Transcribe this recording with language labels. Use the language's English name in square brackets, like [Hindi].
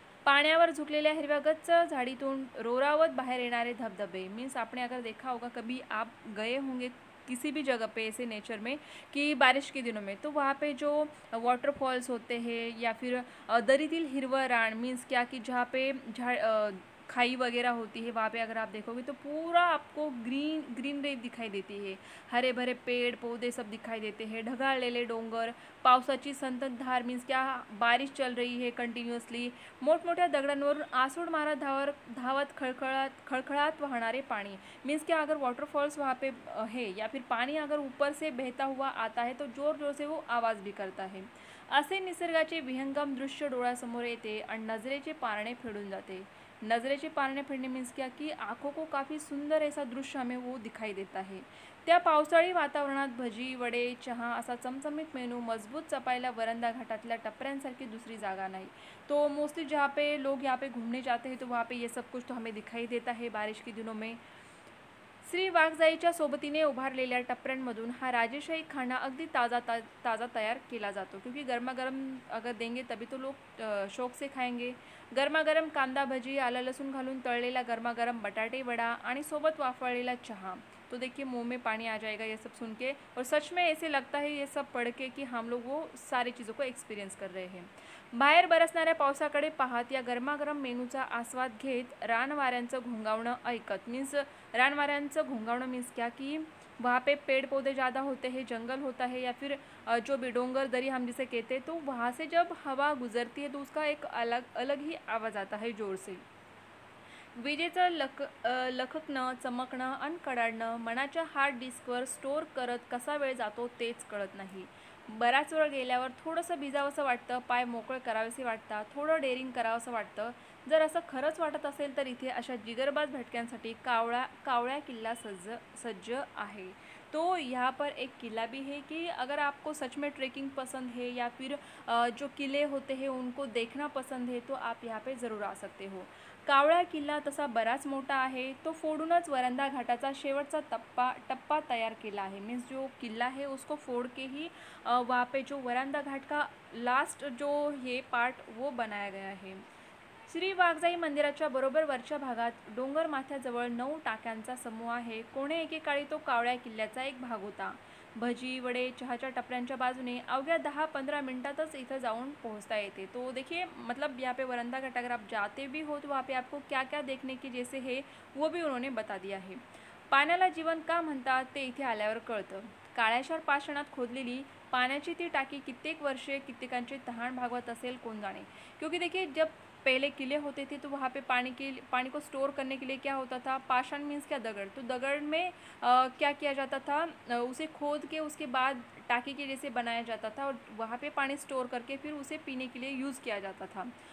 [Marathi] पाण्यावर झुकलेल्या हिरव्या गच्च झाडीतून रोरावत बाहेर येणारे धबधबे, [Hindi] मीन्स आपने अगर देखा होगा कभी आप गए होंगे किसी भी जगह पे ऐसे नेचर में कि बारिश के दिनों में, तो वहाँ पे जो वाटरफॉल्स होते हैं या फिर [Marathi] दरीतील हिरवा रान [Hindi] मीन्स क्या कि जहाँ पे खाई वगैरह होती है वहाँ पे अगर आप देखोगे तो पूरा आपको ग्रीन ग्रीनरी दिखाई देती है, हरे भरे पेड़ पौधे सब दिखाई देते हैं, [Marathi] ढगाळलेले डोंगर, पावसाची संततधार [Hindi] मीन्स क्या बारिश चल रही है कंटिन्यूअसली, [Marathi] मोठमोठ्या दगडांवरून आसूड मारा धावत खळखळात वाहणारे पाणी, [Hindi] मीन्स क्या अगर वॉटरफॉल्स वहाँ पे है या फिर पाणी अगर ऊपर से बहता हुआ आता है तो जोर जोर से वो आवाज़ भी करता है। [Marathi] असे निसर्गाचे विहंगम दृश्य डोळ्यासमोर येते आणि नजरेचे पारणे फिरून जाते। नजरेचे पारणे फिरणे [Hindi] मीन्स क्या कि आँखों को काफ़ी सुंदर ऐसा दृश्य हमें वो दिखाई देता है। [Marathi] त्या पावसाळी वातावरणात भजी वडे चहा असा चमचमीत मेनू मजबूत चपायला वरंदा घाटातल्या टपऱ्यांसारखी दुसरी जागा नाही। [Hindi] तो मोस्टली जहाँ पे लोग यहाँ पे घूमने जाते हैं तो वहाँ पे ये सब कुछ तो हमें दिखाई देता है बारिश के दिनों में। [Marathi] श्री वाघजाईच्या सोबतीने उभारलेल्या टपऱ्यांमधून हा राजेशाही खाना अगदी ताजा तयार केला जातो, [Hindi] क्योंकि गरमागरम अगर देंगे तभी तो लोग शौक से खाएंगे। [Marathi] गरमागरम कांदा भजी, आला लसूण घालून तळलेला गरमागरम बटाटे वडा आणि सोबत वाफळलेला चहा, [Hindi] तो देखिए मुंह में पानी आ जाएगा ये सब सुन के, और सच में ऐसे लगता है ये सब पढ़ के कि हम लोग वो सारी चीज़ों को एक्सपीरियंस कर रहे हैं। [Marathi] बाहेर बरसणाऱ्या पावसाकडे पाहत या गरमागरम मेनूचा आस्वाद घेत रानवाऱ्यांचं घोंगावणं [Hindi] ऐकत, मीन्स [Marathi] रानवाऱ्यांचं घोंगावणं [Hindi] मीन्स क्या कि वहाँ पे पेड़ पौधे ज़्यादा होते हैं, जंगल होता है या फिर जो भी डोंगर दरी हम जिसे कहते हैं, तो वहाँ से जब हवा गुजरती है तो उसका एक अलग ही आवाज़ आता है जोर से। [Marathi] विजेचं लखकणं चमकणं आणि कडाडणं मनाच्या हार्ड डिस्कवर स्टोर करत कसा वेळ जातो तेच कळत नाही। बराच वेळ गेल्यावर थोडंसं भिजावंसं वाटतं, पाय मोकळे करावेसे वाटतात, थोडं डेअरिंग करावंसं वाटतं। जर असं खरंच वाटत असेल तर इथे अशा जिगरबाज भटक्यांसाठी कावळ्या किल्ला सज्ज आहे। [Hindi] तो यहाँ पर एक किला भी है कि अगर आपको सच में ट्रेकिंग पसंद है या फिर जो किले होते हैं उनको देखना पसंद है तो आप यहाँ पर ज़रूर आ सकते हो। [Marathi] कावळा किल्ला तसा बराच मोठा आहे, तो फोडूनच वरंदा घाटाचा शेवटचा टप्पा तयार केला आहे, [Hindi] मीन्स जो किल्ला है उसको फोड के ही वहाँ पे जो वरंदा घाट का लास्ट जो हे पार्ट वो बनाया गया है। [Marathi] श्री वाघजाई मंदिराच्या बरोबर वरच्या भागात डोंगर माथ्याजवळ 9 टाक्यांचा समूह आहे, कोणे एकेकाळी तो कावळ्या किल्ल्याचा एक भाग होता। भजी वडे चहाच्या टपऱ्यांच्या बाजूने अवघ्या 10-15 मिनटातच इथं जाऊन पोहोचता येते। [Hindi] तो देखिए मतलब यहाँ पे वरंदा घाट अगर आप जाते भी हो तो वहाँ पे आपको क्या क्या देखने की जैसे है वो भी उन्होंने बता दिया है। [Marathi] पाण्याला जीवन का म्हणतात ते इथे आल्यावर कळतं। काळेश्वर पाषाणात खोदलेली पाण्याची ती टाकी कित्येक वर्षे कित्येकांचे तहान भागवत असेल कोण जाणे, [Hindi] क्योंकि देखिए जब पहले किले होते थे तो वहाँ पे पानी को स्टोर करने के लिए क्या होता था, पाषाण मीन्स क्या दगड़, तो दगड़ में क्या किया जाता था उसे खोद के उसके बाद टाके के जैसे बनाया जाता था और वहाँ पे पानी स्टोर करके फिर उसे पीने के लिए यूज़ किया जाता था।